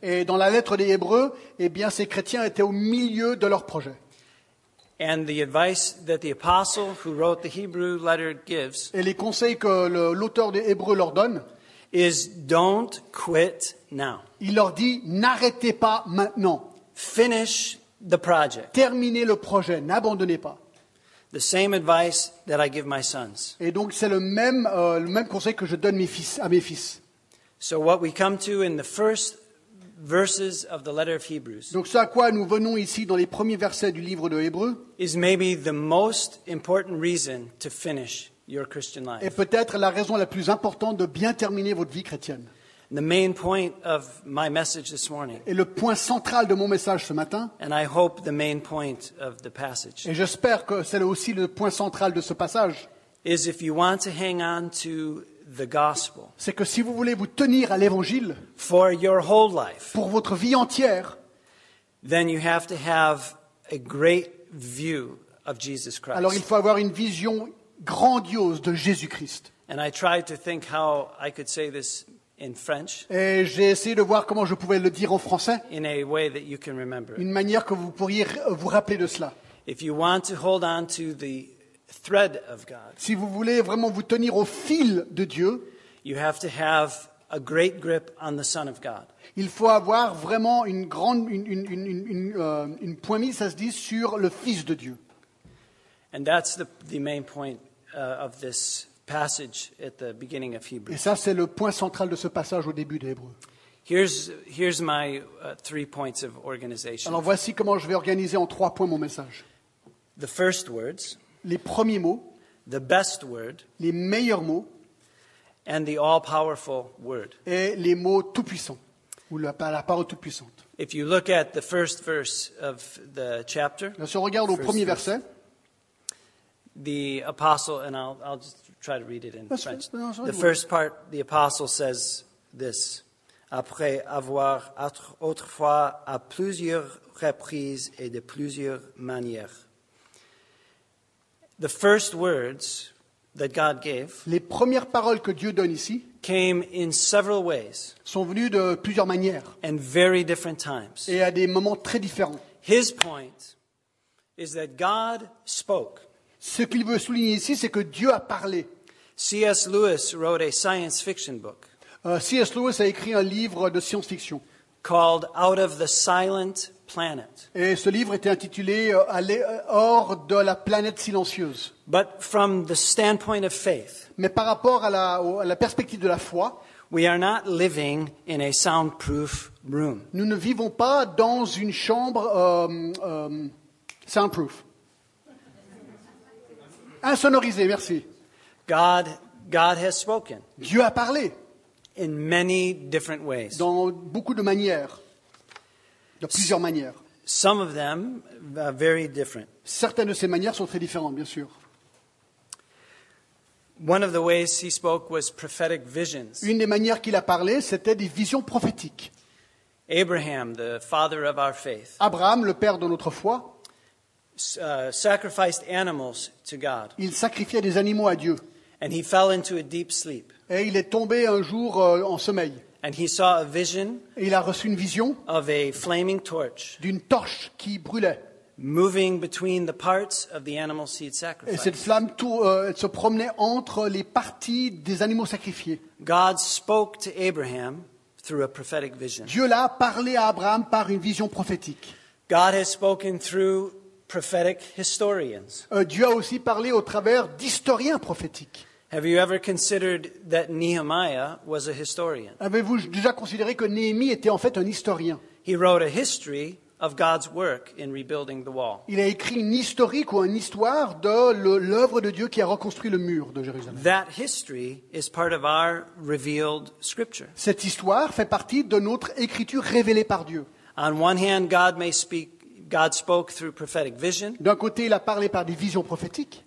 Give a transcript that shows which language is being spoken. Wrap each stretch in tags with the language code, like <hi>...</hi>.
<fr>Et dans la lettre des Hébreux, eh bien ces chrétiens étaient au milieu de leur projet.</fr> <en>And the advice that the apostle who wrote the Hebrew letter gives,</en> <fr>et les conseils que l'auteur des Hébreux leur donne,</fr> <en>is don't quit now.</en> <fr>Il leur dit n'arrêtez pas maintenant.</fr> <en>Finish the project.</en> <fr>Terminez le projet, n'abandonnez pas.</fr> <en>The same advice that I give my sons.</en> <fr>Et donc c'est le même conseil que je donne à mes fils.</fr> <en>So what we come to in the first verses of the letter of Hebrews.</en> <fr>Donc ce à quoi nous venons ici dans les premiers versets du livre de Hébreux</fr> <en>is maybe the most important reason to finish your Christian life.</en> <fr>Et peut-être la raison la plus importante de bien terminer votre vie chrétienne.</fr> <en>The main point of my message this morning.</en> <fr>Et le point central de mon message ce matin.</fr> <en>And I hope the main point of the passage.</en> <fr>Et j'espère que c'est aussi le point central de ce passage.</fr> <en>Is if you want to hang on to the gospel.</en> <fr>C'est que si vous voulez vous tenir à l'évangile.</fr> <en>For your whole life.</en> <fr>Pour votre vie entière.</fr> <en>Then you have to have a great view of Jesus Christ.</en> <fr>Alors il faut avoir une vision grandiose de Jésus-Christ.</fr> <en>And I tried to think how I could say this in French.</en> <fr>Et j'ai essayé de voir comment je pouvais le dire en français.</fr> <en>In a way that you can remember.</en> <fr>Une manière que vous pourriez vous rappeler de cela.</fr> <en>If you want to hold on to the thread of God.</en> <fr>Si vous voulez vraiment vous tenir au fil de Dieu.</fr> <en>You have to have a great grip on the Son of God.</en> <fr>Il faut avoir vraiment une point mise, ça se dit, sur le Fils de Dieu.</fr> <en>And that's the main point of this passage at the beginning of Hebrews.</en> <fr>Et ça c'est le point central de ce passage au début de Hébreux.</fr> <en>Here's my three points of organization.</en> <fr>Alors voici comment je vais organiser en trois points mon message.</fr> <en>The first words.</en> <fr>Les premiers mots.</fr> <en>The best word.</en> <fr>Les meilleurs mots.</fr> <en>And the all-powerful word.</en> <fr>Et les mots tout puissants ou la parole toute puissante.</fr> <en>If you look at the first verse of the chapter.</en> <fr>Si on regarde au premier verset.</fr> <en>The apostle and I'll just try to read it in French.</en> <fr>Non,</fr> <en>the first part, the apostle says this.</en> <fr>Après avoir autrefois à plusieurs reprises et de plusieurs manières.</fr> <en>The first words that God gave.</en> <fr>Les premières paroles que Dieu donne ici.</fr> <en>Came in several ways.</en> <fr>Sont venues de plusieurs manières.</fr> <en>And very different times.</en> <fr>Et à des moments très différents.</fr> <en>His point is that God spoke.</en> <fr>Ce qu'il veut souligner ici, c'est que Dieu a parlé.</fr> <en>C.S. Lewis wrote a science fiction book.</en> <fr>C.S. Lewis a écrit un livre de science-fiction.</fr> <en>Called Out of the Silent Planet.</en> <fr>Et ce livre était intitulé Aller hors de la planète silencieuse.</fr> <en>But from the standpoint of faith.</en> <fr>Mais par rapport à la perspective de la foi.</fr> <en>We are not living in a soundproof room.</en> <fr>Nous ne vivons pas dans une chambre soundproof. Insonorisée, merci.</fr> <en>God has spoken.</en> <fr>Dieu a parlé.</fr> <en>In many different ways.</en> <fr>Dans beaucoup de manières. De plusieurs manières.</fr> <en>Some of them are very different.</en> <fr>Certaines de ces manières sont très différentes, bien sûr.</fr> <en>One of the ways he spoke was prophetic visions.</en> <fr>Une des manières qu'il a parlé, c'était des visions prophétiques.</fr> <en>Abraham, the father of our faith.</en> <fr>Abraham, le père de notre foi.</fr> <en>Sacrificed animals to God.</en> <fr>Il sacrifiait des animaux à Dieu.</fr> <en>And he fell into a deep sleep.</en> <fr>Et il est tombé un jour en sommeil.</fr> <en>And he saw a vision.</en> <fr>Et il a reçu une vision.</fr> <en>Of a flaming torch.</en> <fr>D'une torche qui brûlait.</fr> <en>Moving between the parts of the animal seed sacrifice.</en> <fr>Et cette flamme elle se promenait entre les parties des animaux sacrifiés.</fr> <en>God spoke to Abraham through a prophetic vision.</en> <fr>Dieu l'a parlé à Abraham par une vision prophétique.</fr> <en>God has spoken through prophetic historians.</en> <fr>Dieu a aussi parlé au travers d'historiens prophétiques.</fr> <en>Have you ever considered that Nehemiah was a historian?</en> <fr>Avez-vous déjà considéré que Néhémie était en fait un historien?</fr> <en>He wrote a history of God's work in rebuilding the wall.</en> <fr>Il a écrit une historique ou une histoire de l'œuvre de Dieu qui a reconstruit le mur de Jérusalem.</fr> <en>That history is part of our revealed scripture.</en> <fr>Cette histoire fait partie de notre écriture révélée par Dieu.</fr> <en>On one hand, God spoke through prophetic vision.</en> <fr>D'un côté, il a parlé par des visions prophétiques.</fr>